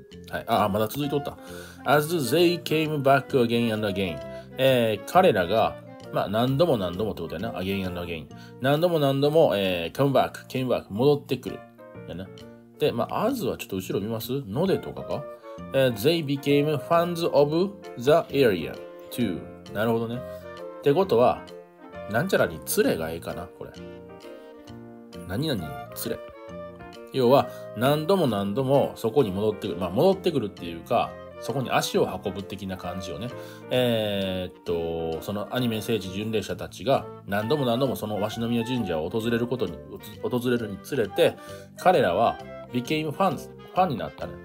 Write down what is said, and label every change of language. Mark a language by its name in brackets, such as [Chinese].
[Japanese] はい、ああ、まだ続いておった。 [English] As they came back again and again、 [Japanese] 彼らが、まあ、何度も何度もってことやな。 [English] again and again。 [Japanese] 何度も何度も、 [English] come back、came back、 [Japanese] 戻ってくる。やな。で、まあ、as はちょっと後ろ見ます？のでとかか、 [English] they became fans of the area too。 [Japanese] なるほどね。ってことは、なんちゃらに連れがええかな、これ。何々に連れ。要は、何度も何度もそこに戻ってくる。まあ、戻ってくるっていうか、そこに足を運ぶ的な感じをね。そのアニメ聖地巡礼者たちが、何度も何度もその鷲宮神社を訪れるにつれて、彼らは、 [English] became fans、 [Japanese] ファンになったね。